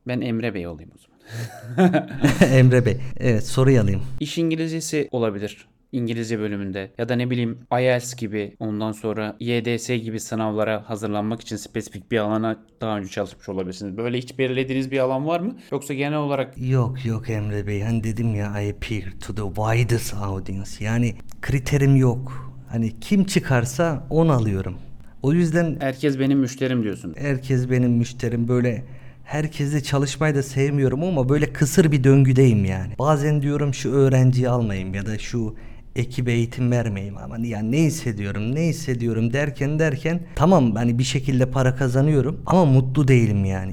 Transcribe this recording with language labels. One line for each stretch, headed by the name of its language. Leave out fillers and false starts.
Turkish: Ben Emre Bey olayım o zaman. Emre Bey. Evet, soruyu alayım. İş İngilizcesi olabilir. İngilizce bölümünde ya da ne bileyim IELTS gibi, ondan sonra YDS gibi sınavlara hazırlanmak için spesifik bir alana daha önce çalışmış olabilirsiniz. Böyle hiç belirlediğiniz bir alan var mı? Yoksa genel olarak... Yok yok Emre Bey, hani dedim ya,
English: I appear to the widest audience.
Turkish: Yani kriterim yok. Hani kim çıkarsa onu alıyorum. O yüzden... Herkes benim müşterim diyorsun. Herkes benim müşterim. Böyle herkesle çalışmayı da sevmiyorum ama böyle kısır bir döngüdeyim yani. Bazen diyorum şu öğrenciyi almayayım ya da şu ekibe eğitim vermeyeyim ama yani ne hissediyorum derken tamam hani bir şekilde para kazanıyorum ama mutlu değilim yani.